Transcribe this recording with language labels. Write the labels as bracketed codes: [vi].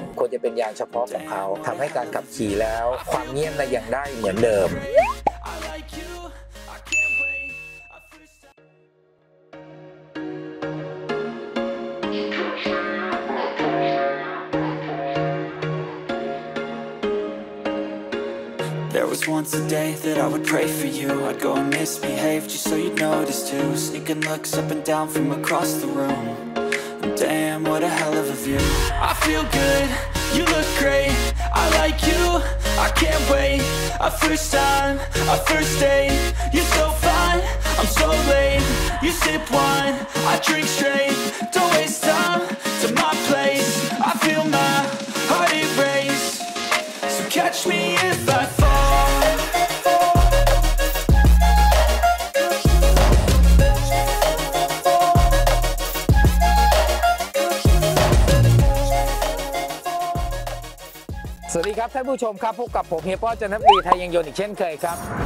[th] ควรจะเป็นยางเฉพาะของเขาทำให้การขับขี่แล้วความเงียบยังได้เหมือนเดิม [en] There was once a day that I would pray for you. I'd go and misbehave just so you'd notice too. Sneaking looks up and down from across the room. Damn, what a hell of a view. I feel good, you look great. I like you, I can't wait. A first time, a first date. You're so fine, I'm so late. You sip wine, I drink straight. Don't waste time to my place. I feel my heart erase. So catch me if I fall [th] สวัสดีครับท่านผู้ชมครับพบกับผมเฮียป้อจันทบุรีไทยยังยนต์อีกเช่นเคยครับ